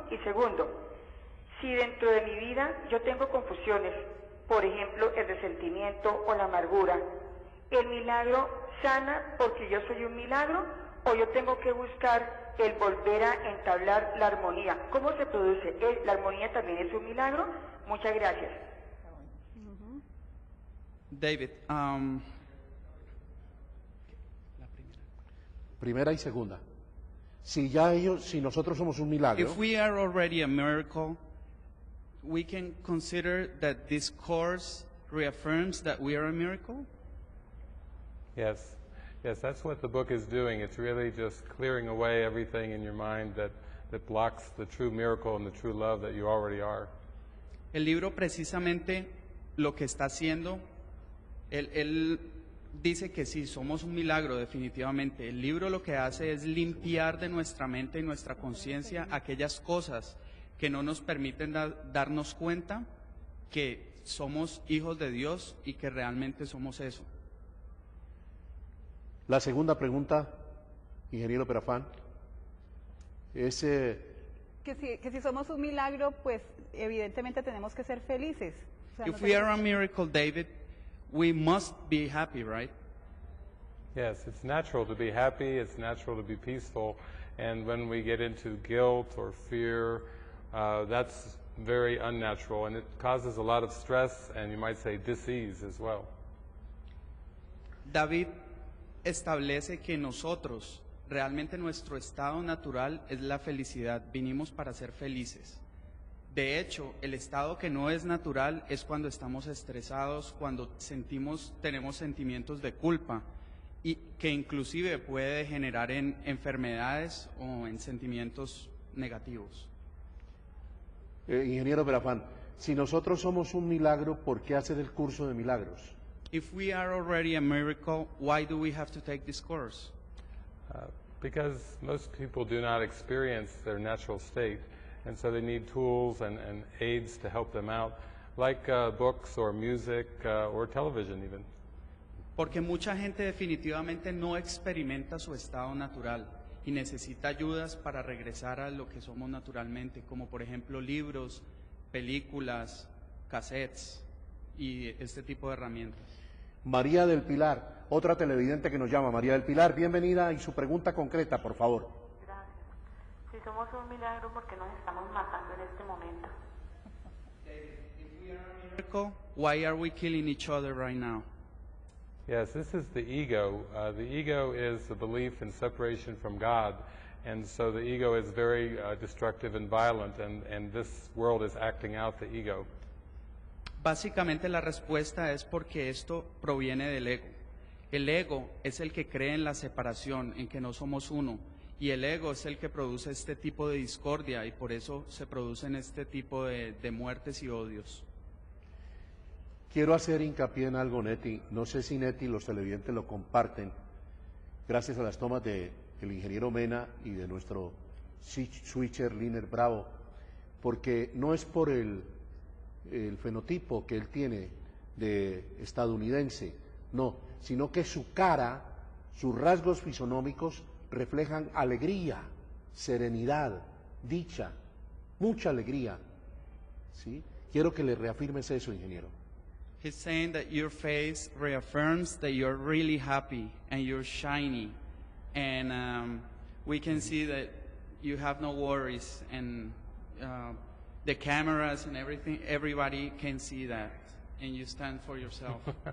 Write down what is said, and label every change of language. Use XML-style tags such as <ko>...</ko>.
<es>Y segundo, si dentro de mi vida yo tengo confusiones, por ejemplo, el resentimiento o la amargura, ¿el milagro sana porque yo soy un milagro, o yo tengo que buscar el volver a entablar la armonía? ¿Cómo se produce? ¿La armonía también es un milagro? Muchas gracias. David, primera y segunda. Si ya ellos, si nosotros somos un milagro.</es> <en>If we are already a miracle, we can consider that this course reaffirms that we are a miracle? Yes. Yes, that's what the book is doing. It's really just clearing away everything in your mind that blocks the true miracle and the true love that you already are.</en> <es>El libro precisamente lo que está haciendo, él dice que sí, somos un milagro, definitivamente. El libro lo que hace es limpiar de nuestra mente y nuestra conciencia aquellas cosas que no nos permiten darnos cuenta que somos hijos de Dios y que realmente somos eso. La segunda pregunta, ingeniero Perafán, es que si somos un milagro, pues evidentemente tenemos que ser felices.</es> <en>If we are a miracle, David, we must be happy, right? Yes, it's natural to be happy, it's natural to be peaceful, and when we get into guilt or fear, that's very unnatural, and it causes a lot of stress, and you might say disease as well.</en> <es>David establece que nosotros, realmente nuestro estado natural es la felicidad, vinimos para ser felices. De hecho, el estado que no es natural es cuando estamos estresados, cuando tenemos sentimientos de culpa, y que inclusive puede generar en enfermedades o en sentimientos negativos. Ingeniero Berafán, si nosotros somos un milagro, ¿por qué hacer el curso de milagros?</es> <en>If we are already a miracle, why do we have to take this course? Because most people do not experience their natural state, and so they need tools and aids to help them out, like books or music or television even.</en> <es>Porque mucha gente definitivamente no experimenta su estado natural y necesita ayudas para regresar a lo que somos naturalmente, como por ejemplo libros, películas, cassettes y este tipo de herramientas. María del Pilar, otra televidente que nos llama. María del Pilar, bienvenida y su pregunta concreta, por favor. Gracias. Si somos un milagro, ¿por qué nos estamos matando en este momento?</es> <en>If we are a miracle, why are we killing each other right now? Yes, this is the ego. The ego is the belief in separation from God, and so the ego is very destructive and violent, and this world is acting out the ego.</en> <es>Básicamente la respuesta es porque esto proviene del ego. El ego es el que cree en la separación, en que no somos uno, y el ego es el que produce este tipo de discordia, y por eso se producen este tipo de muertes y odios. Quiero hacer hincapié en algo, Neti. No sé si Neti los televidentes lo comparten. Gracias a las tomas del ingeniero Mena y de nuestro switcher Liner Bravo, porque no es por el fenotipo que él tiene de estadounidense, no, sino que su cara, sus rasgos fisonómicos reflejan alegría, serenidad, dicha, mucha alegría. ¿Sí? Quiero que le reafirmes eso, ingeniero.</es> <en>He's saying that your face reaffirms that you're really happy and you're shiny, and we can see that you have no worries, and the cameras and everything, everybody can see that, and you stand for yourself.</en>